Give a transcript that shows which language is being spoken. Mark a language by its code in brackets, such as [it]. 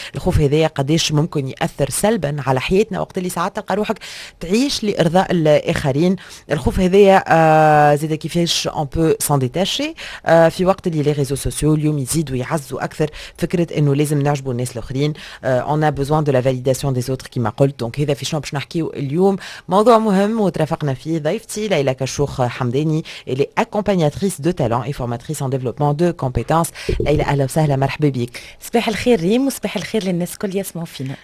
[ar] الخوف هذا قداش ممكن يأثر سلبا على حياتنا وقت اللي ساعات تلقى روحك تعيش لإرضاء الآخرين. الخوف هذا زيد كيفاش on peut s'en détacher في وقت اللي les réseaux sociaux اليوم يزيدوا يعزوا أكثر فكرة إنه لازم نعجبوا الناس الآخرين. [fr] On a besoin de la validation des autres كما قلت. [ar] دونك هذا في شنو باش نحكيو اليوم، موضوع مهم وترافقنا فيه ضيفتي ليلى كشوخ حمداني اللي accompagnatrice de talent et formatrice en développement de compétences. ليلى اهلا وسهلا، مرحبا بك. صباح الخير ريم، وصباح الخير للناس كل يسمعوا فينا.